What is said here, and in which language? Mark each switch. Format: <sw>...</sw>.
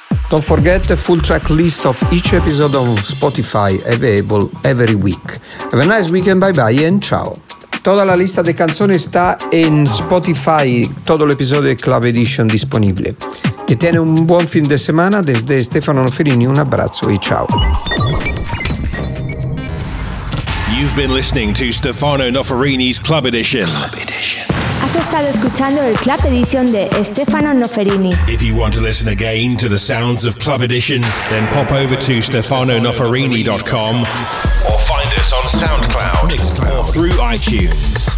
<en>Don't forget the full track list of each episode on Spotify, available every week. Have a nice weekend, bye bye and ciao.</en> <es>Toda la lista de canciones está en Spotify, todo el episodio de Club Edition disponible. Que tiene un buen fin de semana, desde Stefano Noferini un abrazo y ciao.</es> <en>You've been listening to Stefano Noferini's Club Edition. Club Edition.</en> <es>Has estado escuchando el Club Edition de Stefano Noferini.</es> <en>If you want to listen again to the sounds of Club Edition, then pop over to stefanonoferini.com or find us on SoundCloud or through iTunes.</en>